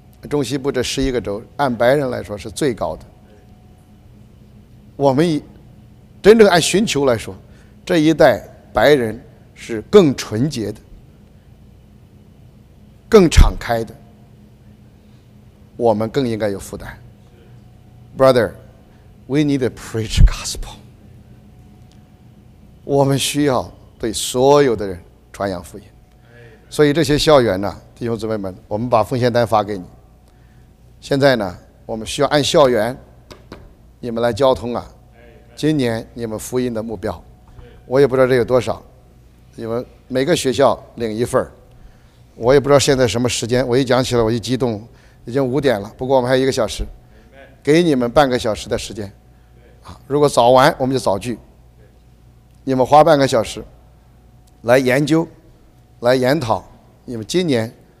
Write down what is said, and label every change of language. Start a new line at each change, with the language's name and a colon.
Chinese: 中西部这十一个州，按白人来说是最高的。我们真正按寻求来说，这一代白人是更纯洁的，更敞开的。我们更应该有负担。
English: Brother, we need to preach gospel.
Chinese: 我们需要对所有的人传扬福音。所以这些校园呢，弟兄姊妹们，我们把奉献单发给你。现在呢，我们需要按校园你们来交通啊。今年你们福音的目标，我也不知道这有多少，你们每个学校领一份，我也不知道现在什么时间，我一讲起来我一激动，已经五点了，不过我们还有一个小时，给你们半个小时的时间，如果早完我们就早聚，你们花半个小时来研究来研讨你们今年